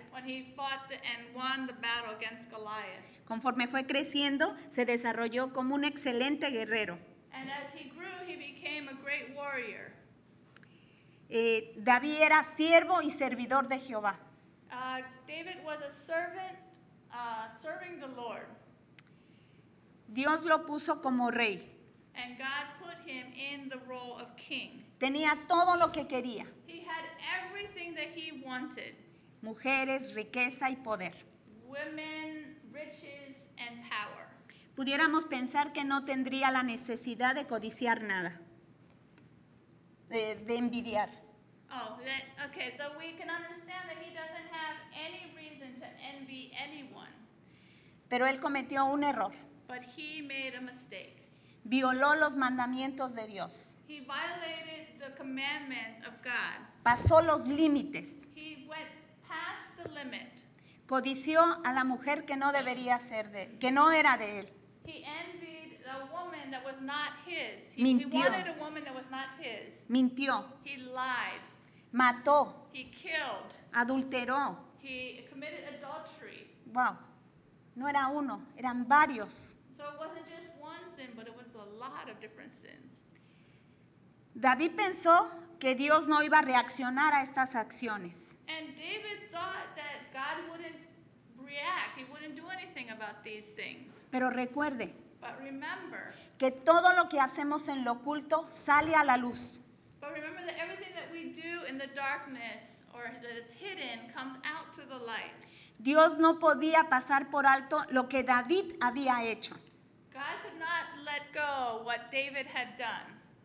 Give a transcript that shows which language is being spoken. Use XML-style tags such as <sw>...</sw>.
<en>When he fought and won the battle against Goliath.</en> <es>Conforme fue creciendo, se desarrolló como un excelente guerrero.</es> <en>And as he grew, he became a great warrior.</en> <es>David era siervo y servidor de Jehová.</es> <en>David was a servant, serving the Lord.</en> <es>Dios lo puso como rey.</es> <en>And God put him in the role of king.</en> <es>Tenía todo lo que quería.</es> <en>He had everything that he wanted.</en> <es>Mujeres, riqueza y poder.</es> <en>Women, riches, and power.</en> <es>Pudiéramos pensar que no tendría la necesidad de codiciar nada, de envidiar.</es> <en>So we can understand that he doesn't have any reason to envy anyone.</en> <es>Pero él cometió un error.</es> <en>But he made a mistake.</en> <es>Violó los mandamientos de Dios.</es> <en>He violated the commandments of God.</en> <es>Pasó los límites.</es> <en>He went past the limit.</en> <es>Codició a la mujer que no debería ser de, que no era de él.</es> <en>He envied a woman that was not his.</en> <es>Mintió.</es> <en>He wanted a woman that was not his.</en> <es>Mintió.</es> <en>He lied.</en> <es>Mató.</es> <en>He killed.</en> <es>Adulteró.</es> <en>He committed adultery.</en> <es>Wow. No era uno, eran varios.</es> <en>So it wasn't just one sin, but it was a lot of different sins.</en> <es>David pensó que Dios no iba a reaccionar a estas acciones.</es> <en>And David thought that God wouldn't react. He wouldn't do anything about these things.</en> <es>Pero recuerde,</es> <en>but remember,</en> <es>que todo lo que hacemos en lo oculto sale a la luz.</es> <en>But remember that everything that we do in the darkness or that is hidden comes out to the light.</en> <es>Dios no podía pasar por alto lo que David había hecho.</es> <en>God could not let go what David had done.</en>